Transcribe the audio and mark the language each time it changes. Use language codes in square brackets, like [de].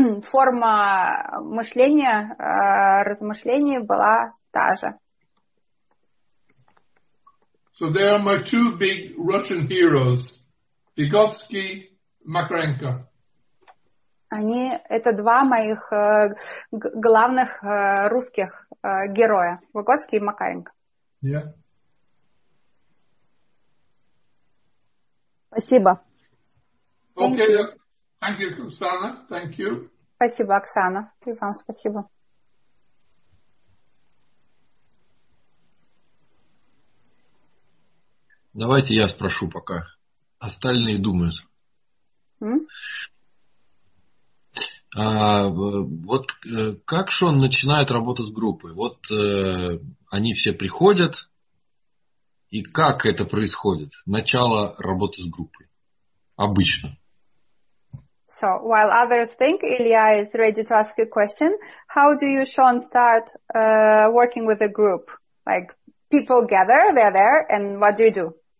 [ru] Форма мышления, размышлений была та же. [en] So there are my two big Russian heroes, Vygotsky, Makarenko. [ru] Они, это два моих главных русских героя, Выгодский и Макаренко. [en] Yeah. [ru] Спасибо. [en] Okay, thank you, Оксана. Thank you. [ru] Спасибо, Оксана. И вам спасибо. Давайте я спрошу пока. Остальные думают. А вот как Шон начинает работу с группой? Вот они все приходят, и как это происходит? Начало работы с группой. Обычно. [en] So, while others think Илья is ready to ask a question, how do you, Шон, start working with a group? Like, people gather, they're there, and what do you do?